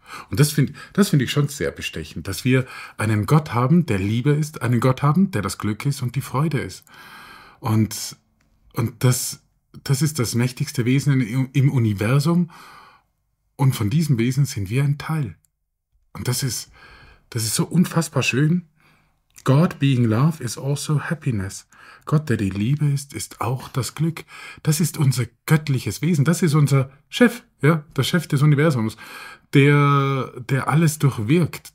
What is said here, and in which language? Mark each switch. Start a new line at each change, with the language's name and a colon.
German: Und das find ich schon sehr bestechend, dass wir einen Gott haben, der Liebe ist, einen Gott haben, der das Glück ist und die Freude ist. Und das ist das mächtigste Wesen im Universum. Und von diesem Wesen sind wir ein Teil. Und das ist so unfassbar schön.
English: God being love is also happiness.
German: Gott, der die Liebe ist, ist auch das Glück. Das ist unser göttliches Wesen. Das ist unser Chef, ja, der Chef des Universums, der alles durchwirkt.